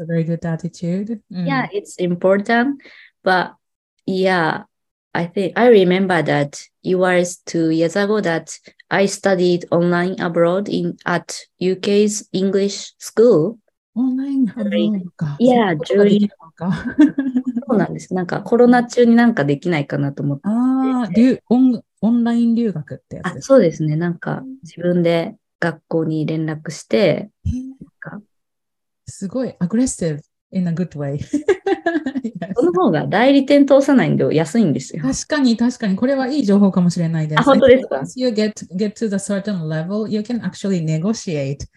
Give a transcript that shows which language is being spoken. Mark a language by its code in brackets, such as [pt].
[en] a very good attitude. Yeah, it's important. But yeah, I think I remember that it was 2 years ago that I studied online abroad in at UK's English school. Online abroad? Yeah, [ja] そうなんです。なんかコロナ中になんかできないかなと思って。ああ、オンライン留学ってやつですか？あ、そうですね。なんか自分で学校に連絡して、なんかすごいアグレッシブ [en] in a good way。 [ja] その方が代理店通さないんで安いんですよ。確かに確かに、これはいい情報かもしれないです。あ、本当ですか。 [en] Once you get to the certain level, you can actually negotiate.